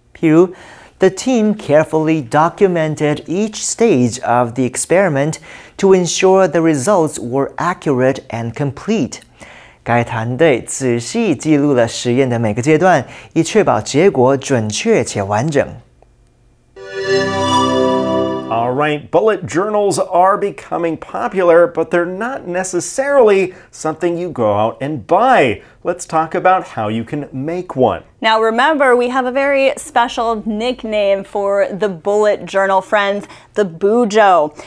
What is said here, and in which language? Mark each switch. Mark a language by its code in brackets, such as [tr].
[zh] 譬如 [en] The team carefully documented each stage of the experiment,to ensure the results were accurate and complete. [zh] 该团队仔细记录了实验的每个阶段，以确保结果准确且完整。 [en] All right, bullet journals are becoming popular, but they're not necessarily something you go out and buy. Let's talk about how you can make one. Now remember, we have a very special nickname for the bullet journal, friends, the bujo.